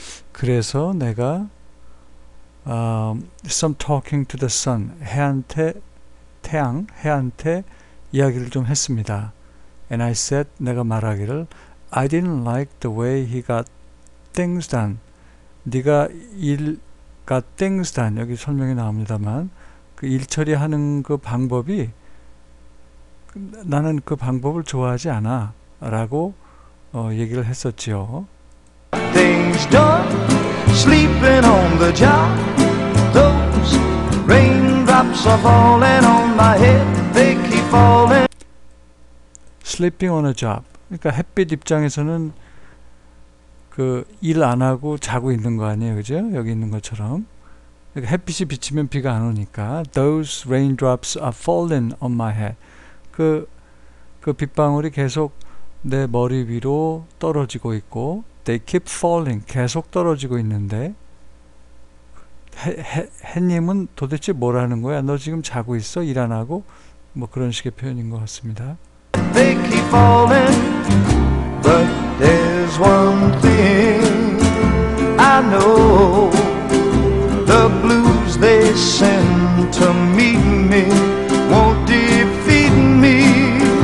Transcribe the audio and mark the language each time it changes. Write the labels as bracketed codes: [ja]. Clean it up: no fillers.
[ko] 그래서 내가 [en] some talking to the sun, [ko] 해한테 이야기를 좀 했습니다. [en] And I said, [ko] 내가 말하기를, [en] I didn't like the way he got things done. [ko] 네가 일, [en] got things done. [ko] 여기 설명이 나옵니다만, 그일 처리하는 그 방법이, 나는 그 방법을 좋아하지 않아. 라고 얘기를 했었지요. [en] Things done, sleeping on the job. Those raindrops are falling on my head, they keep falling. Sleeping on a job. [ko] 그러니까 햇빛 입장에서는 그일안 하고 자고 있는 거 아니에요, 그죠? 여기 있는 것처럼. 그러니까 햇빛이 비치면 비가 안 오니까. [en] Those raindrops are falling on my head. [ko] 그 빗방울이 계속 내 머리 위로 떨어지고 있고, [en] they keep falling. [ko] 계속 떨어지고 있는데, 해님은 도대체 뭐라는 거야? 너 지금 자고 있어? 일안 하고? 뭐 그런 식의 표현인 것 같습니다. [en] They keep falling, but there's one thing I know. The blues they send to meet me won't defeat me.